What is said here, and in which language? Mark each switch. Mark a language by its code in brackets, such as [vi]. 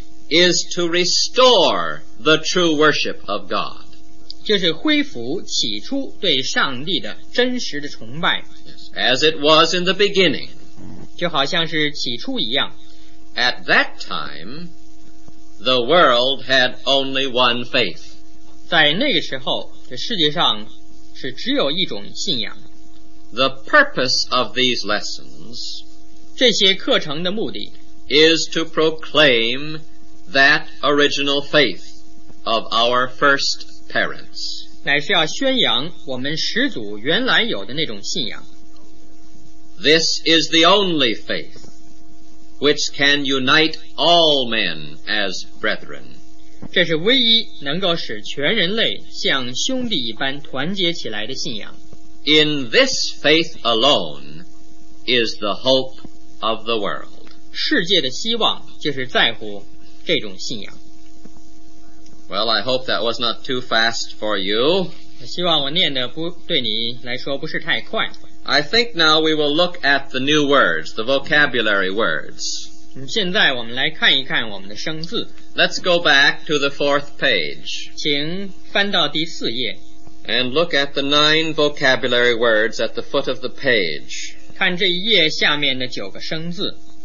[en] is to restore the true worship of God. [zh] 就是恢复起初对上帝的真实的崇拜。 [en] As it was in the beginning, [zh] 就好像是起初一样。 [en] At that time, the world had only one faith. [zh] 在那个时候，这世界上是只有一种信仰。 [en] The purpose of these lessons, [zh] 这些课程的目的, [en] is to proclaim that original faith of our first parents. [zh] 乃是要宣扬我们始祖原来有的那种信仰。 [en] This is the only faith which can unite all men as brethren. [zh] 这是唯一能够使全人类像兄弟一般团结起来的信仰。 [en] In this faith alone is the hope of the world. [zh] 世界的希望就是在乎这种信仰。 [en] Well, I hope that was not too fast for you. [zh] 希望我念的不对你来说不是太快。 [en] I think now we will look at the new words, the vocabulary words. [zh] 现在我们来看一看我们的生字。 [en] Let's go back to the fourth page. [zh] 请翻到第四页。 [en] And look at the 9 vocabulary words at the foot of the page. [zh] 看这一页下面的九个生字。